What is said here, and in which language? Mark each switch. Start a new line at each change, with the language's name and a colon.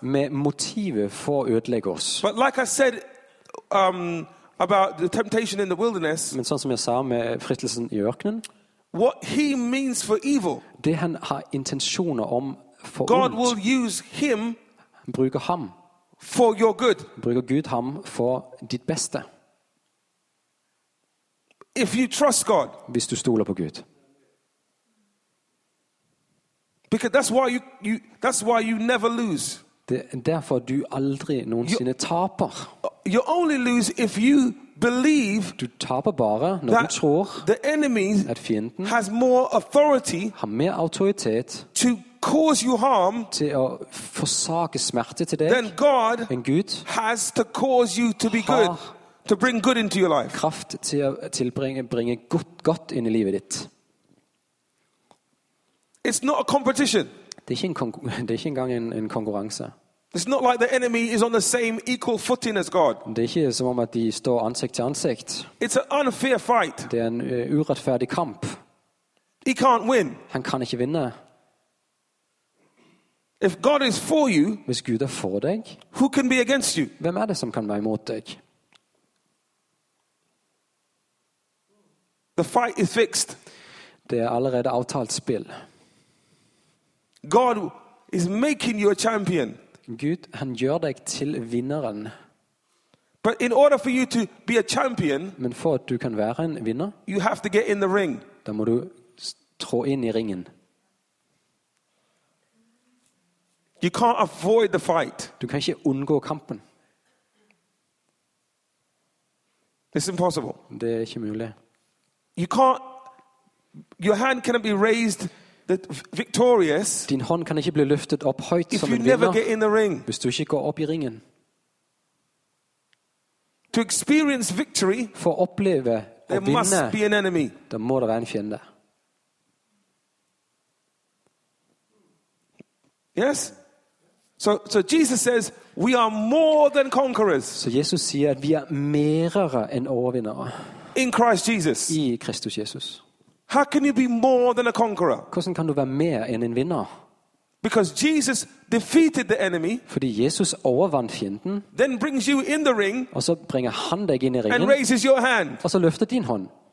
Norwegian: Med motivet for å ødelegge oss.
English: But like I said about the temptation in the wilderness.
Norwegian: Men sånn som jeg sa med fristelsen I ørkenen.
English: What he means for evil.
Norwegian: Det han har intentioner om for
English: God
Norwegian: ondt,
English: will use him.
Norwegian: Bruker ham.
English: For your good.
Norwegian: Bruker Gud ham for ditt beste.
English: If you trust God.
Norwegian: Hvis du stoler på Gud.
English: Because that's why you never lose.
Norwegian: Det derfor du aldri noensinne taper.
English: You only lose if you believe.
Norwegian: Du taper bare når du tror.
English: The enemy
Norwegian: at fienden
English: has more authority.
Norwegian: Har mer autoritet.
English: To cause you harm.
Norwegian: Til å forsake smerte til deg.
English: Then God
Norwegian: en Gud
English: has to cause you to be good. To bring good into your life.
Norwegian: Kraft til bringe godt inn I livet ditt.
English: It's not a competition.
Norwegian: Det ikke engang en konkurranse.
English: It's not like the enemy is on the same equal footing as God.
Norwegian: Det ikke som om at de står ansikt til ansikt.
English: It's an unfair fight.
Norwegian: Det en urettferdig kamp.
English: He can't win.
Norwegian: Han kan ikke vinne.
English: If God is for you,
Norwegian: hvis Gud for deg,
English: who can be against you?
Norwegian: Hvem det som kan være imot deg?
English: The fight is fixed.
Norwegian: Det allerede avtalt spill.
English: God is making you a champion.
Norwegian: Gud, han gjør deg til vinneren.
English: But in order for you to be a champion,
Norwegian: men for at du kan være en vinner,
English: you have to get in the ring.
Norwegian: Da må du trå inn I ringen.
English: You can't avoid the fight.
Norwegian: Du kan ikke unngå kampen.
English: It's impossible.
Norwegian: Det ikke mulig.
English: You can't. Your hand cannot be raised victorious.
Norwegian: Din hånd kan ikke bli løftet opp høyt som en vinner.
English: If you never get in the ring,
Norwegian: hvis du ikke går opp I ringen.
English: To experience victory,
Norwegian: for å oppleve å vinne,
English: there must be an enemy.
Norwegian: Da må det være en fiende.
English: Yes. So Jesus says we are more than conquerors.
Norwegian: Så Jesus sier at vi mer enn overvinnere.
English: In Christ Jesus.
Norwegian: I Kristus Jesus.
English: How can you be more than a conqueror?
Norwegian: Hvordan kan du være mer enn en vinner?
English: Because Jesus defeated the enemy.
Norwegian: Fordi Jesus overvant fienden.
English: Then brings you in the ring.
Norwegian: Og så bringer han deg inn I ringen.
English: And raises your hand.
Norwegian: Og så løfter din hånd.